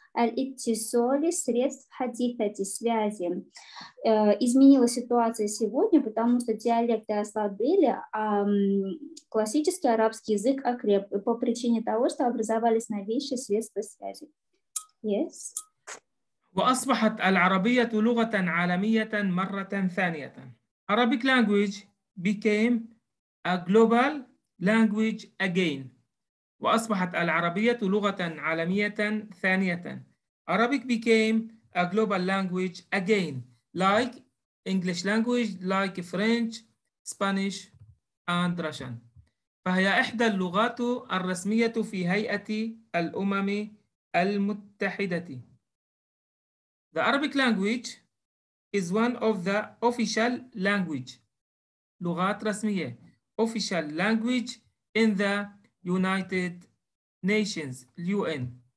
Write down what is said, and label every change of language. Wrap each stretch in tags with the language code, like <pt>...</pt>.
<ru>الاتصال средств حديثة связи. Изменилась ситуация сегодня, потому что диалекты ослабели, а классический арабский язык окреп по причине того, что образовались новейшие средства связи.</ru> <en>Yes.</en> <ar>وأصبحت العربية لغة عالمية مرة ثانية.</ar> <en>Arabic language became a global language again.</en> <ar>وأصبحت العربية لغة عالمية ثانية.</ar> <en>Arabic became a global language again, like English language, like French, Spanish, and Russian.</en> <ar>فهي إحدى اللغات الرسمية في هيئة الأمم المتحدة.</ar> <en>The Arabic language is one of the official language,</en> <ar>لغات رسمية,</ar> <en>official language in the United Nations, UN.</en>